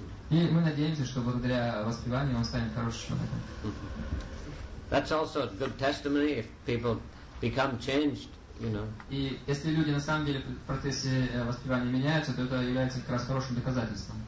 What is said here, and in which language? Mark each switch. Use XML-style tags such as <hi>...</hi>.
<ru>И мы надеемся, что благодаря воспеванию он станет хорошим человеком.</ru> <en>That's also a good testimony if people become changed, you know.</en> <ru>И если люди на самом деле в процессе воспевания меняются, то это является как раз хорошим доказательством.</ru>